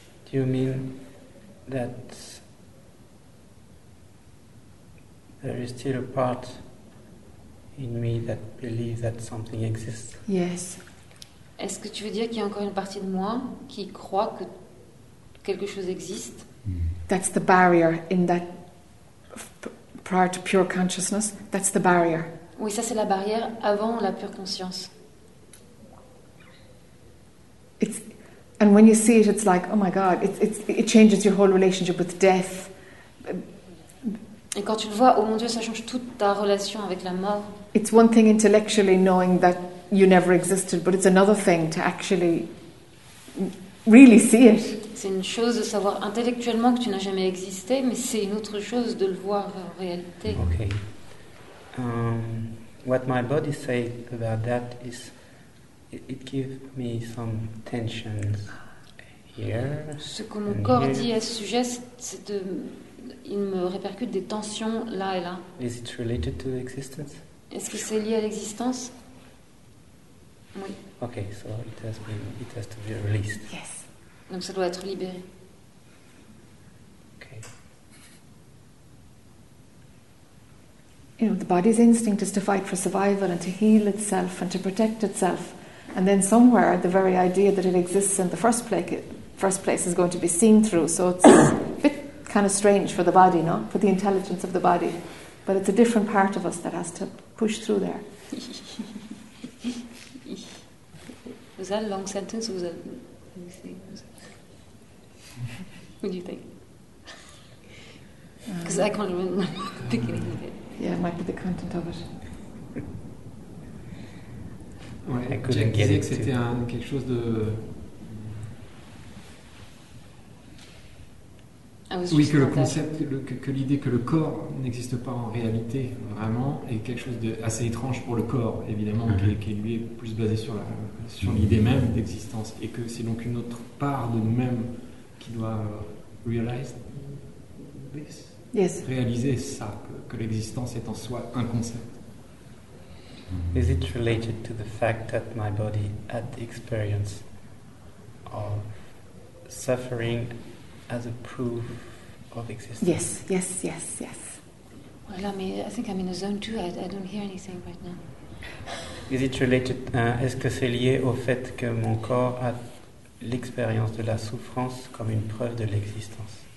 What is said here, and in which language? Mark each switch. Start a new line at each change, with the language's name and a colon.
English: Do you mean that there is still a part in me that believes that something exists? Yes.
French: Est-ce que tu veux dire qu'il y a encore une partie de moi qui croit que quelque chose existe?
English: That's the barrier in that prior to pure consciousness. That's the barrier.
French: Oui, ça c'est la barrière avant la pure conscience.
English: It's and when you see it, it's like, oh my God, it changes your whole relationship with death.
French: Et quand tu le vois, oh mon Dieu, ça change toute ta relation avec la mort.
English: It's one thing intellectually knowing that you never existed, but it's another thing to actually really see it.
French: C'est une chose de savoir intellectuellement que tu n'as jamais existé, mais c'est une autre chose de le voir en réalité.
English: Okay. What my body say about that is, it gives me some tensions here.
French: Ce que mon corps dit à ce sujet, c'est de il me répercute des tensions là et là.
English: Is it related to existence?
French: Est-ce que c'est lié à l'existence? Oui.
English: Okay, so it has to be released. Yes.
French: Donc ça doit être libéré.
English: Okay. You know, the body's instinct is to fight for survival and to heal itself and to protect itself. And then somewhere, the very idea that it exists in the first place is going to be seen through. So it's a bit kind of strange for the body, no? For the intelligence of the body. But it's a different part of us that has to push through there. Was that a long sentence, or was that... Let me see. What do you think? Because I can't remember the beginning of it. Yeah, it might be the content of it.
French: Ouais, Jack disait que c'était quelque chose de... Oui, que le concept, que l'idée que le corps n'existe pas en réalité, vraiment, est quelque chose d'assez étrange pour le corps, évidemment, qui lui est plus basé sur l'idée même d'existence, et que c'est donc une autre part de nous-mêmes qui doit réaliser ça, que l'existence est en soi un concept.
English: Is it related to the fact that my body had the experience of suffering as a proof of existence? Yes. Well, I mean, I think I'm in a zone too. I don't hear anything right now. Is it related?
French: Est-ce que c'est lié au fait que mon corps a l'expérience de la souffrance comme une preuve de l'existence?